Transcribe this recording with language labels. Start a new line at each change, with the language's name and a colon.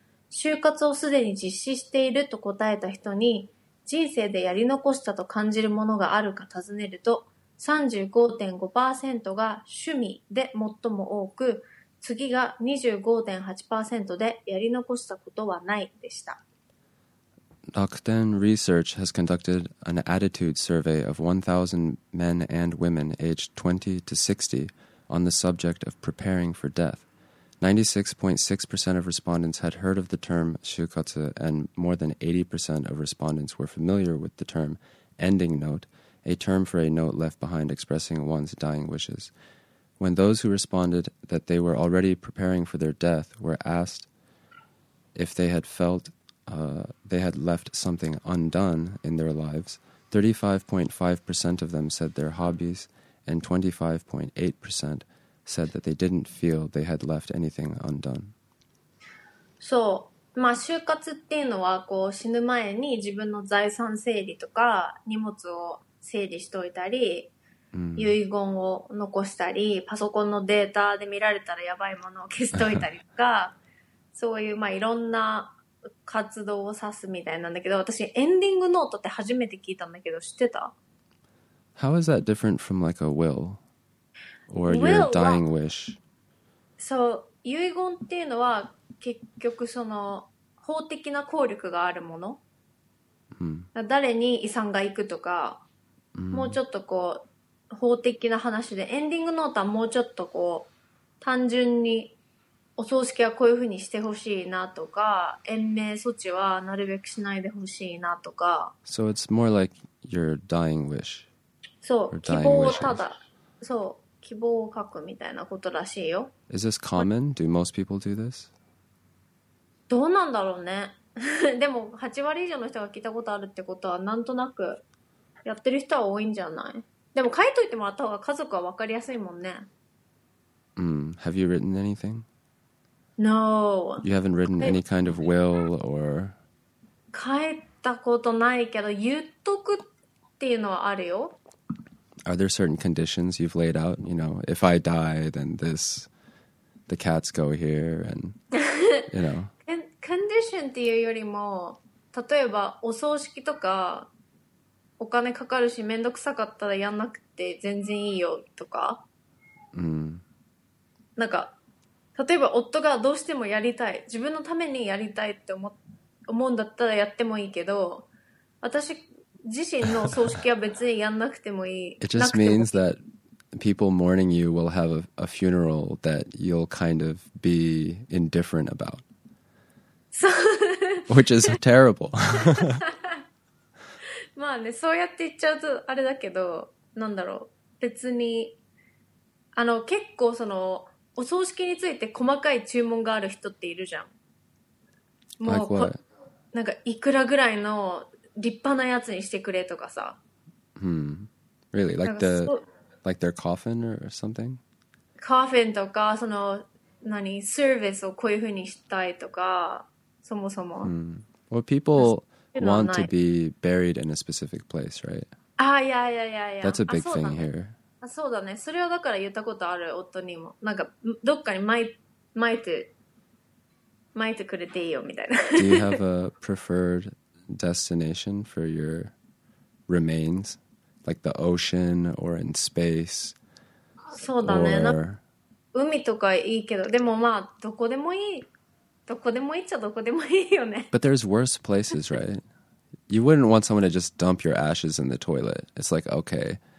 Japanese: 就活をすでに実施していると答えた人に、人生でやり残したと感じるものがあるか尋ねると、 35.5% が趣味で最も多く、次が 25.8% でやり残したことはないでした。
English: Rakuten Research has conducted an attitude survey of 1,000 men and women aged 20 to 60 on the subject of preparing for death. 96.6% of respondents had heard of the term shukatsu, and more than 80% of respondents were familiar with the term ending note, a term for a note left behind expressing one's dying wishes. When those who responded that they were already preparing for their death were asked if they had felt they had left something undone in their lives, 35.5% of them said their hobbies, and 25.8% said that they didn't feel they had left anything undone.
Japanese: そう、まあ就活っていうのは、こう死ぬ前に自分の財産整理とか荷物を整理しておいたり、うん、遺言を残したり、パソコンのデータで見られたらやばいものを消しておいたりとかそういう、まあいろんな活動を指すみたいなんだけど、私エンディングノートって初めて聞いたんだけど、知ってた？
English: How is that different from like a will? Or your dying wish?
Japanese: そう、遺言っていうのは結局その法的な効力があるもの、 mm. 誰に遺産が行くとか、 mm. もうちょっとこう法的な話で、エンディングノートはもうちょっとこう単純にお葬式はこういうふうにしてほしいなとか、延命措置はなるべくしないでほしいなとか。
English: So it's more like your dying wish.
Japanese: そう、希望をただ、そう、希望を書くみたいなことらしいよ。
English: Is this common? Do most people do this?
Japanese: どうなんだろうね。でも8割以上の人が聞いたことあるってことは、なんとなくやってる人は多いんじゃない？でも書いといてもらった方が家族は分かりやすいもんね。
English: Mm. Have you written anything? No. You haven't written any kind of will or...
Japanese: 書いたことないけど、言っとくっていうのはあるよ。
English: Are there certain conditions you've laid out? You know, if I die, then this... The cats go here and... You know.
Japanese: condition っていうよりも、例えばお葬式とか、お金かかるし、めんどくさかったらやんなくて全然いいよとか。うん。なんか、例えば夫がどうしてもやりたい、自分のためにやりたいって思うんだったらやってもいいけど、私自身の葬式は別にやんなくてもいい。
English: It just means that people mourning you will have a funeral that you'll kind of be indifferent about. Which is terrible.
Japanese: まあね、そうやって言っちゃうとあれだけど、なんだろう、別に、あの、結構そのお葬式について細かい注文がある人っているじゃん。
English: もう、like、what?
Japanese: なんかいくらぐらいの立派なやつにしてくれとかさ。
English: Hmm. Really? Like their coffin or something?
Japanese: Coffin とか、その何、セービスをこういうふうにしたいとか、そもそも。
English: Hmm. Well, people want to be buried in a specific place, right? Ah, yeah, yeah, yeah, yeah. That's a big thing here.
Japanese: あ、そうだね。それはだから言ったことある、夫にも。なんか、どっかに巻いてくれていいよ、みたいな。
English: Do you have a preferred destination for your remains? Like the ocean or in space?
Japanese: そうだね。海とかいいけど、でもまあ、どこでもいい。どこでもいいっちゃどこでもいいよね。
English: But there's worse places, right? You wouldn't want someone to just dump your ashes in the toilet. It's like, okay...